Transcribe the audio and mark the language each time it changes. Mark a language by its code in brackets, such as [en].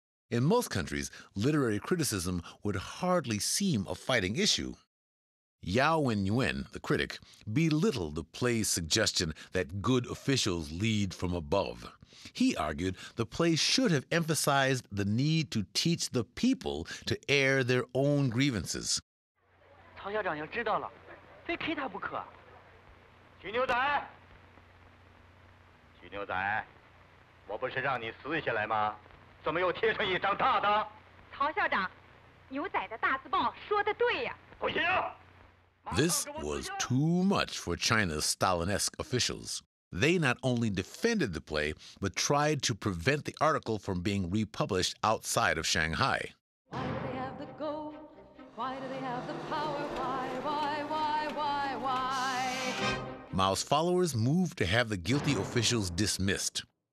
[en] In most countries, literary criticism would hardly seem a fighting issue. Yao Wenyuan, the critic, belittled the play's suggestion that good officials lead from above. He argued the play should have emphasized the need to teach the people to air their own grievances. [zh] 曹校长要知道了,非踢他不可。曹校长,牛仔的大字报说得对呀。 [en] This was too much for China's Stalinesque officials. They not only defended the play, but tried to prevent the article from being republished outside of Shanghai. Why do they have the gold? Why do they have the power? Why? Mao's followers moved to have the guilty officials dismissed.